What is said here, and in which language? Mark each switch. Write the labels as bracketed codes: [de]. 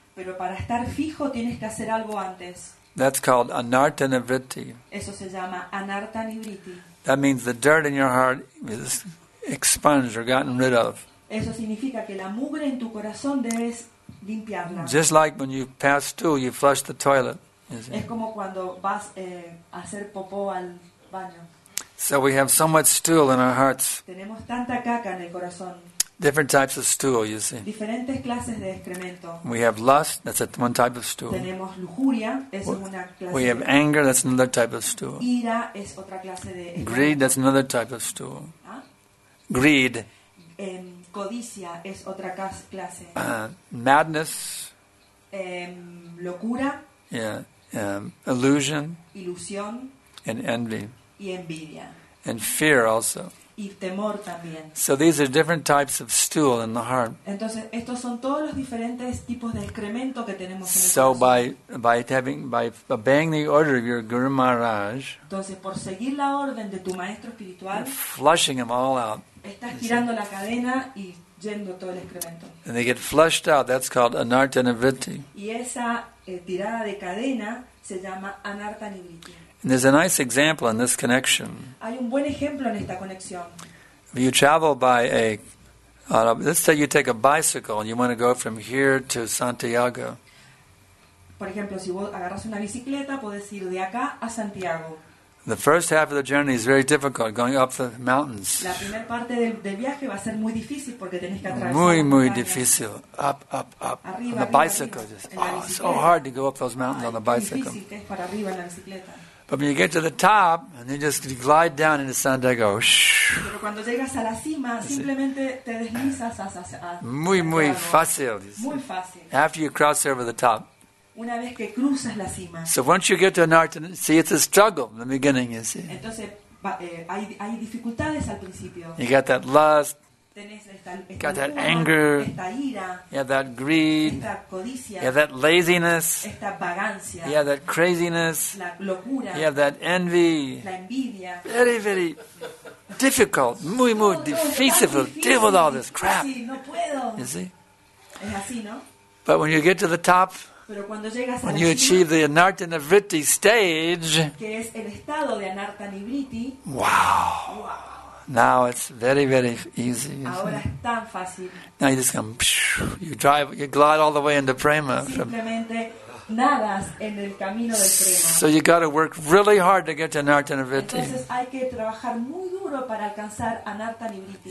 [es] Pero para estar fijo, tienes que hacer algo antes. [en] That's called anartana vritti. [es] Eso se llama anartani vritti. [en] That means the dirt in your heart is expunged or gotten rid of. [es] Eso significa que la mugre en tu corazón debes limpiarla. [en] Just like when you pass stool, you flush the toilet. [es] Es como cuando vas a hacer popó al baño. [en] So we have so much stool in our hearts. [es] Tenemos tanta caca en el corazón. [en] Different types of stool, you see. [es] Diferentes clases de excremento. [en] We have lust, that's one type of stool. [es] Tenemos lujuria, es una clase. [en] We have anger, that's another type of stool. [es] Ira es otra clase de excremento. [en] Greed, that's another type of stool. ¿Ah? Greed. [es] Codicia es otra clase. [en] Madness. [es] Locura. [en] Yeah. Illusion. [es] Ilusión. [en] And envy. [es] Y envidia. [en] And fear also. [es] Y temor también. [en] So these are different types of stool in the heart. [es] Entonces, estos son todos los diferentes tipos de excremento que tenemos en el [en] So by obeying the order of your Guru Maharaj. [es] Entonces, por seguir la orden de tu maestro espiritual. [en] Flushing them all out. [es] Estás girando la cadena y yendo todo el excremento. [en] And they get flushed out. That's called anartana vritti. [es] Y esa tirada de cadena se llama anartana vritti. [en] And there's a nice example in this connection. [es] Hay un buen ejemplo en esta conexión. [en] If you travel by let's say you take a bicycle and you want to go from here to Santiago. [es] Por ejemplo, si vos agarras una bicicleta, puedes ir de acá a Santiago. [en] The first half of the journey is very difficult, going up the mountains. [es] La primera parte del viaje va a ser muy difícil porque tenés que atravesar. Muy, muy difícil. Up. Arriba, [en] on the bicycle. It's so hard to go up those mountains on the bicycle. [es] Difícil que es para arriba en la bicicleta. [en] But when you get to the top, and then just glide down into Santiago. [es] Pero cuando llegas a la cima, simplemente te deslizas hacia. Muy, muy fácil. Muy fácil. [en] After you cross over the top. [es] Una vez que cruzas la cima. [en] So once you get to an art, see, it's a struggle in the beginning, you see. [es] Entonces hay dificultades al principio. [en] You got that lust. [es] Esta [en] got that anger. [es] Esta ira. [en] Yeah, that greed. [es] Esta codicia. [en] Yeah, that laziness. [es] Esta vagancia. [en] Yeah, that craziness. [es] La locura. [en] Yeah, that envy. [es] La envidia. [en] Very, very difficult. [es] Muy, muy difícil. [en] Deal with all this crap. [es] Sí, no puedo. [en] You see? [es] Es así, ¿no? [en] But when you get to the top, [es] pero cuando llegas [en] when [es] a [en] you [es] la [en] achieve [es] cima, [en] the anartana vritti stage, [es] que es el estado de anartana vritti, [en] wow. Now it's very, very easy. [es] Ahora es tan fácil. [en] Now you just come, you drive, you glide all the way into prema. [es] Simplemente nadas en el camino del prema. [en] So you got to work really hard to get to Anartanibriti. [es] Entonces hay que trabajar muy duro para alcanzar Anartanibriti.